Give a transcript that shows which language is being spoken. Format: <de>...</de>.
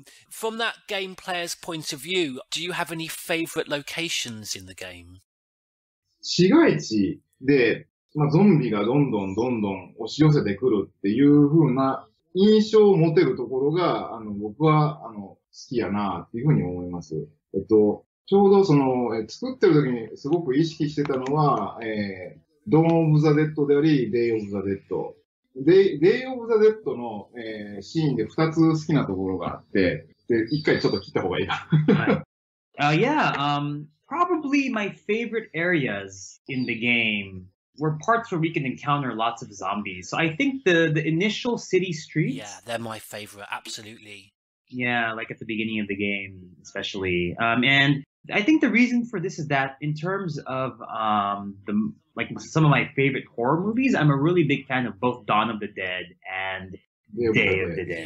<en>From that game player's point of view, do you have any favorite locations in the game?</en> <ja>市街地で、まあ、ゾンビがどんどんどんどん押し寄せてくるっていう風な印象を持てるところが、僕は、好きやなっていう風に思います。ちょうどその、作ってる時にすごく意識してたのは、ドーン・オブ・ザ・デッドであり、デイ・オブ・ザ・デッド。デイオブザデッドの、シーンで2つ好きなところがあって、で、1回ちょっと聞いた方がいいな。</ja> <en>Yeah, probably my favorite areas in the game were parts where we can encounter lots of zombies. So I think the initial city streets. Yeah, they're my favorite, absolutely. Yeah, like at the beginning of the game, especially. And I think the reason for this is that in terms of the like some of my favorite horror movies, I'm a really big fan of both Dawn of the Dead and Day of the Dead.</en>